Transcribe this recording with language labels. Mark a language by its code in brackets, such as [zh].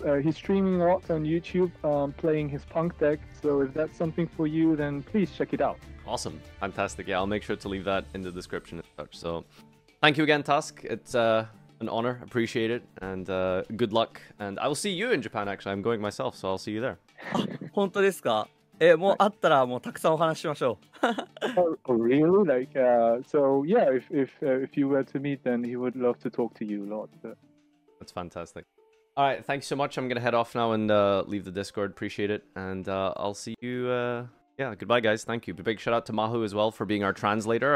[en] He's streaming a lot on YouTube, playing his punk deck. So if that's something for you, then please check it out. Awesome, fantastic. Yeah, I'll make sure to leave that in the description and such. So, thank you again, Task. It's an honor. Appreciate it, and good luck. And I will see you in Japan. Actually, I'm going myself, so I'll see you there. [ja] 本当ですか？もう会ったらもうたくさんお話ししましょう。 [en] Really? Like, so yeah, if you were to meet, then he would love to talk to you a lot. But... That's fantastic. All right, thanks so much. I'm gonna head off now and leave the Discord. Appreciate it, and I'll see you. Yeah, goodbye, guys. Thank you. Big shout out to Mahu as well for being our translator.